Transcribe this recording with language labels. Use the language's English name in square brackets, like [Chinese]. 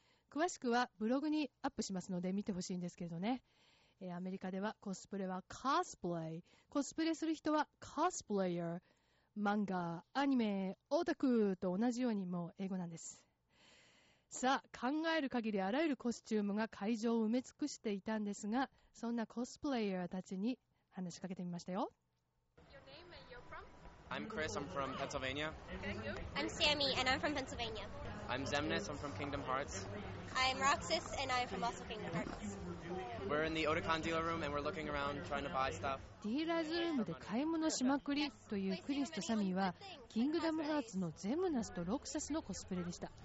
[Japanese] 詳しくはブログにアップしますので見てほしいんですけどね、アメリカではコスプレはコスプレ、コスプレする人はコスプレイヤー、漫画、アニメ、オタクと同じようにもう英語なんです。さあ、考える限りあらゆるコスチュームが会場を埋め尽くしていたんですが、そんなコスプレイヤーたちに話しかけてみましたよ。 [English] I'm Chris, I'm from Pennsylvania. I'm Sammy, and I'm from Pennsylvania. I'm Zemnis, I'm from Kingdom Hearts. I'm Roxas, and I'm from also Kingdom Hearts. We're in the Otakon dealer room, and we're looking around, trying to buy stuff. [Japanese] ディーラーズルームで買い物しまくりというクリスとサミーは、キングダムハーツのゼムナスとロクサスのコスプレでした。